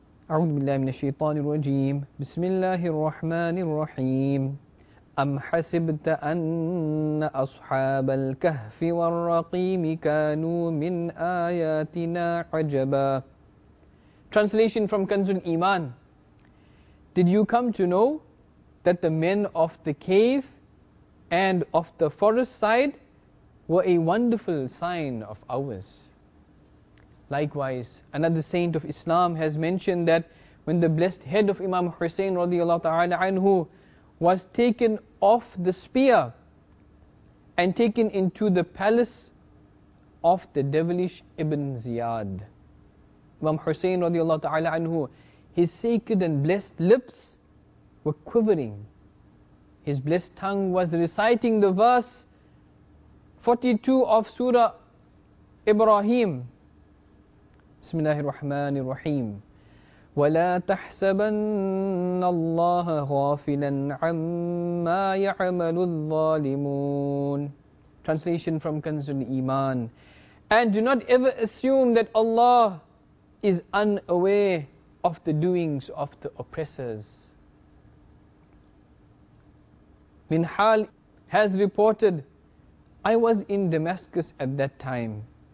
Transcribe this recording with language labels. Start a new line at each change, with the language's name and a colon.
Arabic: أعوذ بالله من الشيطان الرجيم بسم الله الرحمن الرحيم أم حسبت أن أصحاب الكهف والرقيم كانوا من آياتنا عجبا.
English: Translation from Kanz al-Iman. Did you come to know that the men of the cave and of the forest side were a wonderful sign of ours? Likewise, another saint of Islam has mentioned that when the blessed head of Imam Hussein radiallahu ta'ala anhu was taken off the spear and taken into the palace of the devilish Ibn Ziyad, Imam Hussein radiallahu ta'ala anhu, his sacred and blessed lips were quivering. His blessed tongue was reciting the verse 42 of Surah Ibrahim.
Arabic: بسم الله الرحمن الرحيم ولا تحسبن الله غافلا عما يعمل الظالمون.
English: Translation from Kanz al-Iman. And do not ever assume that Allah is unaware of the doings of the oppressors. Minhal has reported, I was in Damascus at that time.